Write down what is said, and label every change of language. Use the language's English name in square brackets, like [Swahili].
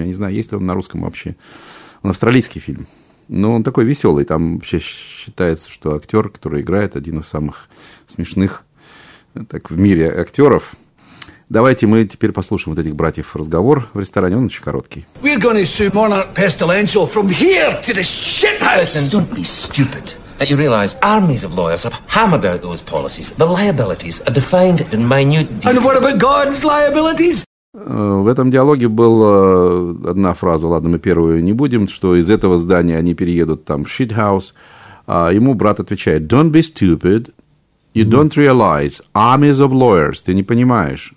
[Russian] Я не знаю, есть ли он на русском вообще. Он австралийский фильм. Но он такой веселый, там вообще считается, что актер, который играет, один из самых смешных так, в мире актеров. Давайте мы теперь послушаем вот этих братьев разговор в ресторане, он очень короткий. [English] We're gonna sue Monarch Pestilential from here to the shithouse. And don't be stupid. You realize armies of lawyers have hammered out those policies. The liabilities are defined in minute detail. And what about God's liabilities? [Russian] В этом диалоге была одна фраза, ладно, мы первую не будем, что из этого здания они переедут там в shithouse. А ему брат отвечает, [English] don't be stupid, you don't realize, armies of lawyers, [Russian] ты не понимаешь.